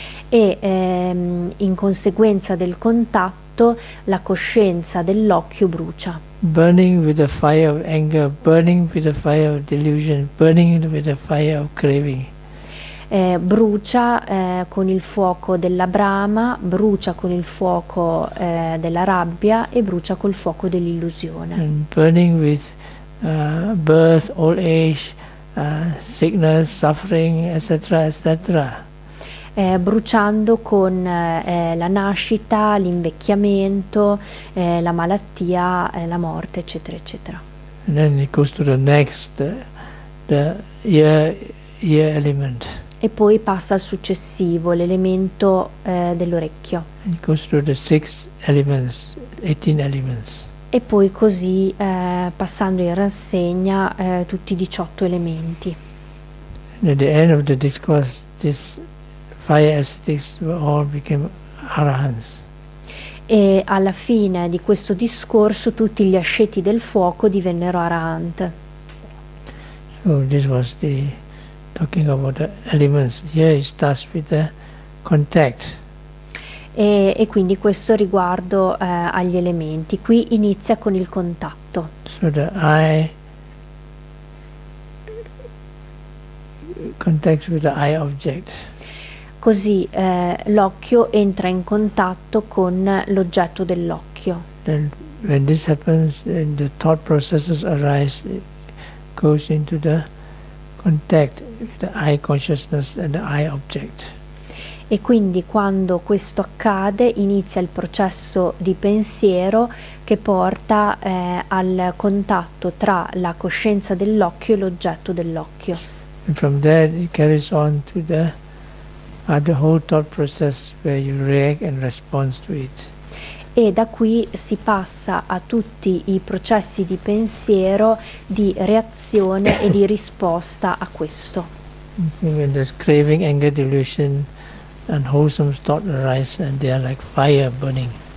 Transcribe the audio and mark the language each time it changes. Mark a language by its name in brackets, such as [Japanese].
[Italian] E in conseguenza del contatto, la coscienza dell'occhio brucia. [English] Burning with the fire of anger, burning with the fire of delusion, burning with the fire of craving. [Italian] Brucia con il fuoco della brama, brucia con il fuoco della rabbia e brucia col fuoco dell'illusione. [English] And burning with birth, old age, sickness, suffering, etc., etc. [Italian] bruciando con la nascita, l'invecchiamento, la malattia, la morte, eccetera, eccetera. [English] And then it goes to the next, the ear element. [Italian] E poi passa al successivo, l'elemento dell'orecchio. [English] And it goes to the six elements, 18 elements. [Italian] E poi così passando in rassegna tutti i 18 elementi. [English] And at the end of the discourse, these five ascetics were all became arahants. [Italian] E alla fine di questo discorso tutti gli asceti del fuoco divennero arahant. [English] So this was the talking about the elements. Here it starts with the contact. [Italian] E quindi questo riguardo agli elementi. Qui inizia con il contatto. [English] So the eye contacts with the eye object. [Italian] Così l'occhio entra in contatto con l'oggetto dell'occhio. [English] Then when this happens, then the thought processes arise. Goes into the contact with the eye consciousness and the eye object. [Italian] E quindi quando questo accade inizia il processo di pensiero che porta al contatto tra la coscienza dell'occhio e l'oggetto dell'occhio. [English] And from there it carries on to the whole thought process where you react and respond to it. [Italian] E da qui si passa a tutti i processi di pensiero, di reazione e di risposta a questo. [English] When there's craving, anger, delusion, unwholesome thoughts arise, and they are like fire burning.